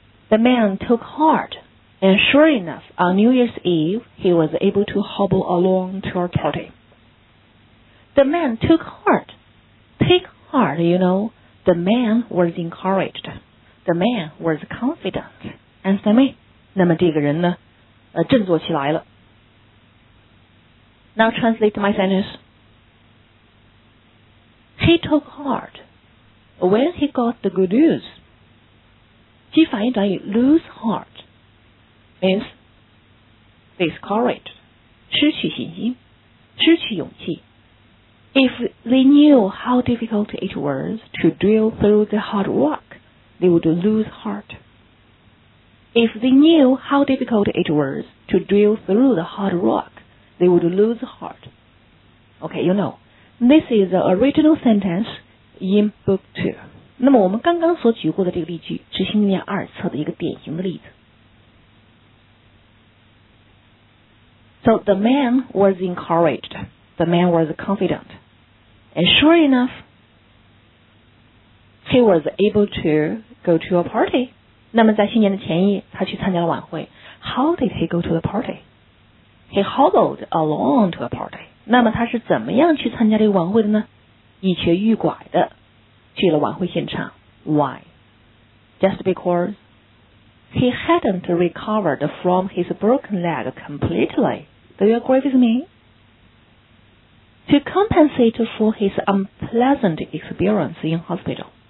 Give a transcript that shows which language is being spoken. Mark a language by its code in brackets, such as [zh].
[en] The man took heart, and sure enough, on New Year's Eve, he was able to hobble along to our party. The man took heart. Take heart, you know, the man was encouraged. The man was confident. Understand me? [zh] 那么这个人呢振作起来了。 [en] Now translate my sentence. He took heart when he got the good news. [zh] 其反义短语 lose heart [en] means discouraged, [zh] 失去信心失去勇气。 [en] If they knew how difficult it was to drill through the hard rock,They would lose heart. If they knew how difficult it was to drill through the hard rock, they would lose heart. Okay, you know, this is the original sentence in book 2. [zh] 那么我们刚刚所举过的这个例句是新年二册的一个典型的例子。 [en] So the man was encouraged. The man was confident. And sure enough, he was able toGo to a party. [zh] 那么在新年的前夜他去参加了晚会。 [en] How did he go to the party? He hobbled along to a party. [zh] 那么他是怎么样去参加这个晚会的呢？一瘸一拐的去了晚会现场。 [en] Why? Just because he hadn't recovered from his broken leg completely. Do you agree with me? To compensate for his unpleasant experience in hospital.